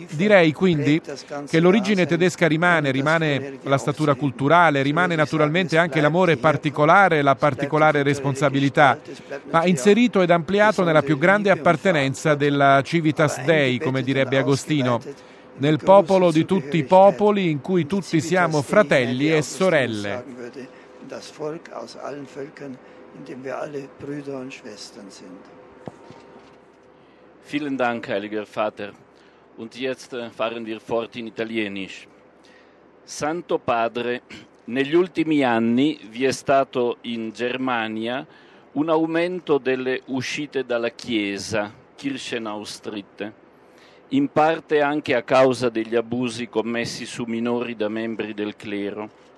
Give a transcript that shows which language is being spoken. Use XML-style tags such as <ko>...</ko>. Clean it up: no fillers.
<it>Direi quindi che l'origine tedesca rimane la statura culturale, rimane naturalmente anche l'amore particolare e la particolare responsabilità, ma inserito ed ampliato nella più grande appartenenza della Civitas Dei, come direbbe Agostino, nel popolo di tutti i popoli in cui tutti siamo fratelli e sorelle.</it> <de>Das Volk aus allen Völkern, in dem wir alle Brüder und Schwestern sind. Vielen Dank, heiliger Vater. Und jetzt fahren wir fort in Italienisch.</de> <it>Santo Padre, negli ultimi anni vi è stato in Germania un aumento delle uscite dalla Chiesa, Kirchenaustritt, in parte anche a causa degli abusi commessi su minori da membri del clero.</it>